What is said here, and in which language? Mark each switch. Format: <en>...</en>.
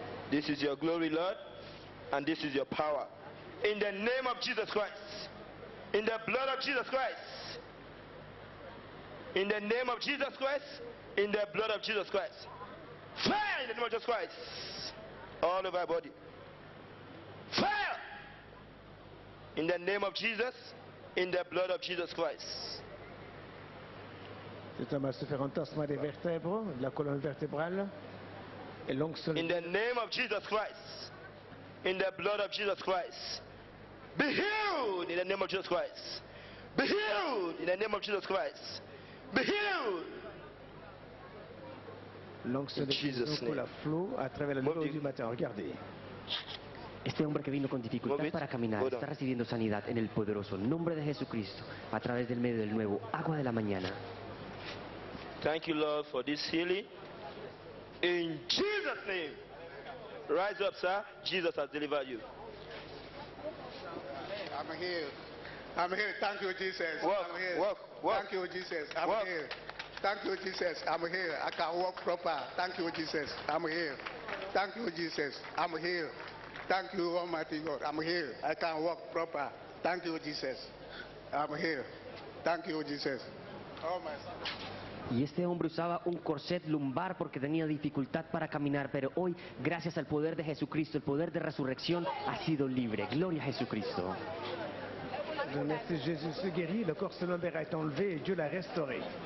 <en>This is your glory, Lord, and this is your power. In the name of Jesus Christ, in the blood of Jesus Christ, in the name of Jesus Christ, in the blood of Jesus Christ, fire in the name of Jesus Christ, all over our body. Fire! In the name of Jesus, in the blood of Jesus Christ.</en> <fr>Cet homme a souffert un tassement des vertèbres, de la colonne vertébrale et l'onction.</fr> <en>In the name of Jesus Christ, in the blood of Jesus Christ, be healed in the name of Jesus Christ. Be healed in the name of Jesus Christ. Be healed.</en> <fr>L'onction de Jésus coule à flot à travers la lumière du matin. Regardez.</fr> <es>Este hombre que vino con dificultad para caminar está recibiendo sanidad en el poderoso nombre de Jesucristo a través del medio del nuevo agua de la mañana.</es> <en>Thank you, Lord, for this healing. In Jesus' name. Rise up, sir. Jesus has delivered you. I'm here. I'm here. Thank you, Jesus. Walk. I'm here. Walk. Walk. Thank you, Jesus. I'm walk. Here. Thank you, Jesus. I'm here. I can walk proper. Thank you, Jesus. I'm here. Thank you, Jesus. I'm here. Thank you, Almighty God. I'm here. I can walk proper. Thank you, Jesus. I'm here. Thank you, Jesus. Oh, my son.</en> <es>Y este hombre usaba un corset lumbar porque tenía dificultad para caminar, pero hoy, gracias al poder de Jesucristo, el poder de resurrección, ha sido libre. Gloria a Jesucristo.</es> <fr>Merci Jésus, se guéri, le corset lumbar est enlevé et Dieu l'a restauré.</fr>